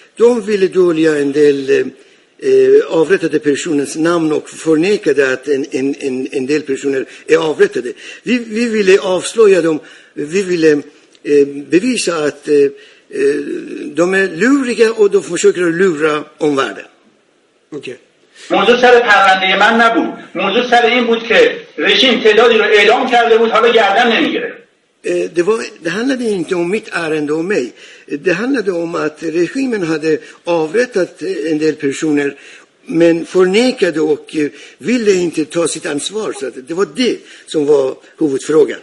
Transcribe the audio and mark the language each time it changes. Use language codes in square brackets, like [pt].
[sv] De ville dölja en del avrättade personers namn och förnekade att en del personer är avrättade. Vi ville avslöja dem. Vi ville bevisa att de är luriga och de försöker lura omvärlden. Okej. Okay. [fa] موضوع سر پرونده من نبود، موضوع سر این بود که رژیم تعدادی رو اعدام کرده بود، حالا گردن نمیگیره. [sv] Det handlade inte om mitt ärende och mig. Det handlade om att regimen hade avrättat en del personer men förnekade och ville inte ta sitt ansvar, så det var det som var huvudfrågan.